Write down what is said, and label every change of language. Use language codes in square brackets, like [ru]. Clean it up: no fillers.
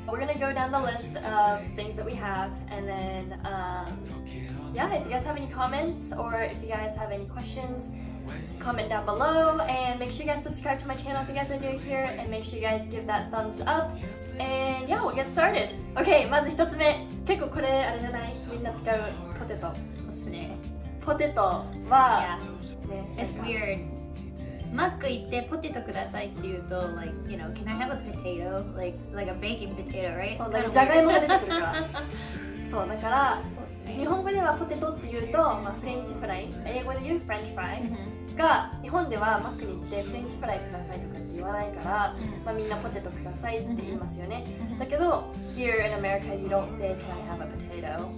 [en] We're gonna go down the list of things that we have, and then, if you guys have any comments or if you guys have any questions, comment down below and make sure you guys subscribe to my channel if you guys are new here, and make sure you guys give that thumbs up. And yeah, we'll get started. Okay, [ja] まず一つ目。結構これあれじゃない？みんな使うポテト。そうですね。ポテトは、 [en] ね、It's weird. [ja] マック行ってポテトくださいって言うと、 [en] like, you know, can I have a potato? Like a baking potato, right? [ja] そう、だからジャガイモが出てくるから。そう、だから、そうですね。日本語ではポテトって言うと、まあ、フレンチフライ。英語で言うフレンチフライ。が日本ではマックに行ってフレンチフライくださいとかって言わないから、まあ、みんなポテトくださいって言いますよね。 [en] だけど、Here in America you don't say can I have a potato?